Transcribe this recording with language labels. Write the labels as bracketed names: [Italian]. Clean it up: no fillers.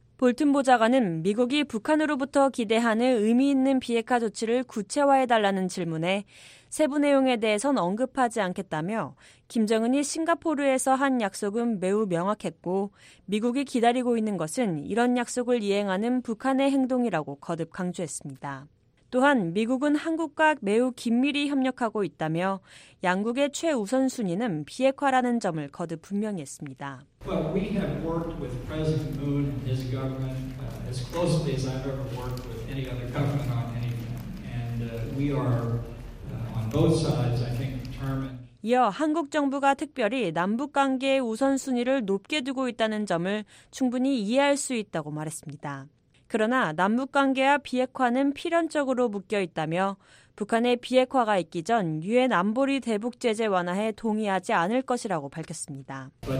[Korean] 볼튼 보좌관은 미국이 북한으로부터 기대하는 의미 있는 비핵화 조치를 구체화해달라는 질문에 세부 내용에 대해선 언급하지 않겠다며 김정은이 싱가포르에서 한 약속은 매우 명확했고 미국이 기다리고 있는 것은 이런 약속을 이행하는 북한의 행동이라고 거듭 강조했습니다. 또한 미국은 한국과 매우 긴밀히 협력하고 있다며 양국의 최우선순위는 비핵화라는 점을 거듭 분명히 했습니다. [English] Well, we have worked with President Moon and his government as closely as I've ever worked with any other government on anything. And we are on both sides, I think, determined. [Korean] 이어 한국 정부가 특별히 남북관계의 우선순위를 높게 두고 있다는 점을 충분히 이해할 수 있다고 말했습니다. 그러나 남북관계와 비핵화는 필연적으로 묶여 있다며 북한의 비핵화가 있기 전 유엔 안보리 대북 제재 완화에 동의하지 않을 것이라고 밝혔습니다.